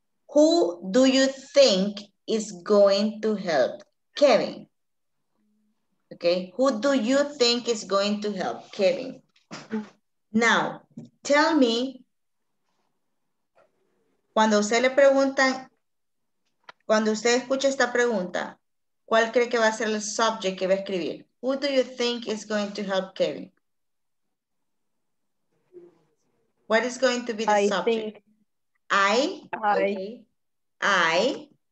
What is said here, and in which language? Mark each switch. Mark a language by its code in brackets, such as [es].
[en] Who do you think is going to help Kevin? Okay. Who do you think is going to help Kevin? Now, tell me, [es] cuando usted le pregunta, cuando usted escucha esta pregunta, ¿cuál cree que va a ser el subject que va a escribir? [en] Who do you think is going to help Kevin? What is going to be the subject? I think.